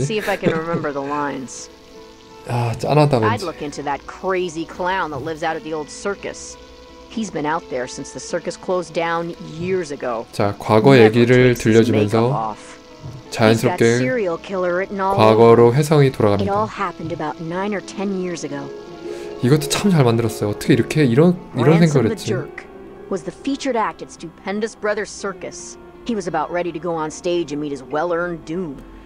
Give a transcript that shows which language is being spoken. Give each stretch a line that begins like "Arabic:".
English: Let's see if I can remember the lines.
Korean: 아, 짠하다, 왠지.
English: I'd look into that crazy clown that lives out at the old circus. He's been out there since the circus closed down years ago.
Korean: 자, 과거 얘기를 들려주면서 자연스럽게 과거로 회상이 돌아갑니다.
English: It all happened about 9 or 10 years ago.
Korean: 이것도 참 잘 만들었어요. 어떻게 이렇게 이런 생각을 했지?
English: Ransom the Jerk was the featured act at Stupendous Brothers Circus. He was about ready to go on stage and meet his well-earned doom.